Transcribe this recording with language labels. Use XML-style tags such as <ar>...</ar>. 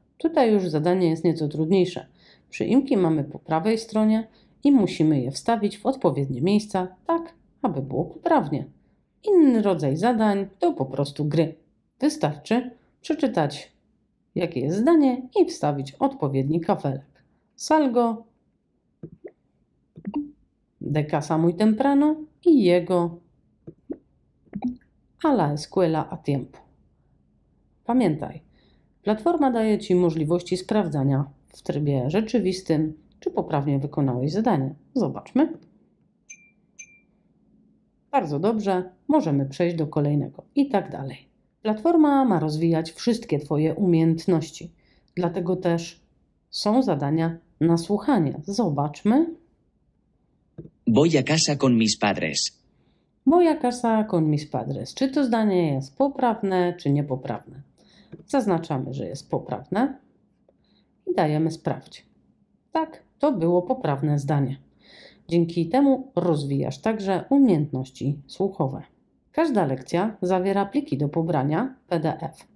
<pl>Tutaj już zadanie jest nieco trudniejsze. Przyimki mamy po prawej stronie i musimy je wstawić w odpowiednie miejsca, tak aby było poprawnie. Inny rodzaj zadań to po prostu gry. Wystarczy przeczytać, jakie jest zdanie i wstawić odpowiedni kafelek.</pl> <es>Salgo, de casa muy temprano i jego a la escuela a tiempo.</es> <pl>Pamiętaj, platforma daje Ci możliwości sprawdzania w trybie rzeczywistym, czy poprawnie wykonałeś zadanie. Zobaczmy. Bardzo dobrze, możemy przejść do kolejnego i tak dalej. Platforma ma rozwijać wszystkie Twoje umiejętności, dlatego też są zadania na słuchanie. Zobaczmy.</pl> <es>Voy a casa con mis padres. Voy a casa con mis padres.</es> <pl>Czy to zdanie jest poprawne, czy niepoprawne? Zaznaczamy, że jest poprawne i dajemy sprawdź. Tak, to było poprawne zdanie. Dzięki temu rozwijasz także umiejętności słuchowe. Każda lekcja zawiera pliki do pobrania PDF.</pl>